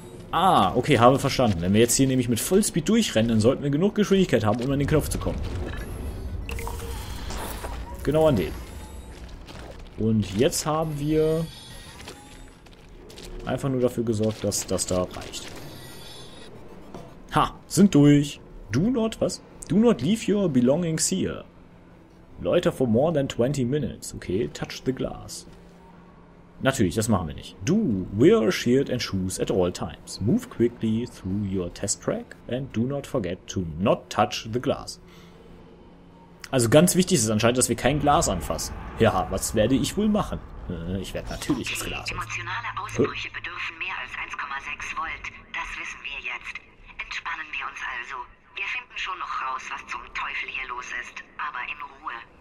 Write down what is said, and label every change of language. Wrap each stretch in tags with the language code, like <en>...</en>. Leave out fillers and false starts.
<de>Ah, okay, habe verstanden. Wenn wir jetzt hier nämlich mit Vollspeed durchrennen, dann sollten wir genug Geschwindigkeit haben, um an den Knopf zu kommen. Genau an den. Und jetzt haben wir einfach nur dafür gesorgt, dass das da reicht. Ha, sind durch.</de> <en>Do not,</en> <de>was?</de> <en>Do not leave your belongings here. Loiter for more than 20 minutes. Okay, touch the glass.</en> <de>Natürlich, das machen wir nicht.</de> <en>Do wear a shield and shoes at all times. Move quickly through your test track and do not forget to not touch the glass.</en> <de>Also ganz wichtig ist anscheinend, dass wir kein Glas anfassen. Ja, was werde ich wohl machen? Ich werde natürlich das Glas anfassen. Emotionale Ausbrüche bedürfen mehr als 1,6 Volt. Das wissen wir jetzt. Entspannen wir uns also. Wir finden schon noch raus, was zum Teufel hier los ist. Aber in Ruhe.</de>